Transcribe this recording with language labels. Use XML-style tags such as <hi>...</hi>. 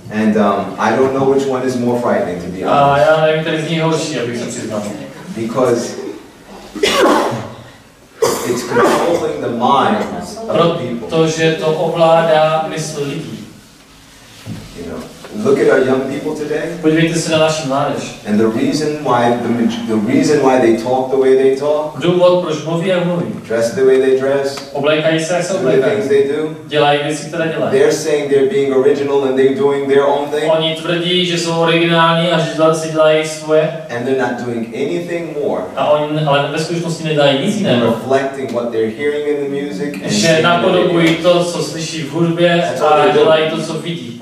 <en>And I don't know which one is more frightening, to be honest.</en> <cs>Já nevím, který z nich horší, abych se přiznal.</cs> <en>Because it's controlling the minds of people.</en> <cs>Protože to ovládá mysl lidí.</cs> <en>Look at our young people today.</en> <cs>Podívejte se na naši mládež.</cs> <en>And the reason why they talk the way they talk.</en> <cs>Důvod, proč mluví, jak mluví.</cs> <en>Dress the way they dress.</en> <cs>Oblékají se, jak se oblékají.</cs> <en>Do the things they do.</en> <cs>Dělají věci, které dělají.</cs> <en>They're saying they're being original and they're doing their own thing.</en> <cs>Oni tvrdí, že jsou originální a že si dělají svoje.</cs> <en>And they're not doing anything more.</en> <cs>A oni ale ve skutečnosti nedají nic jiného.</cs> <en>Reflecting what they're hearing in the music.</en> <cs>Že napodobují to, co slyší v hudbě, a dělají to, co vidí.</cs>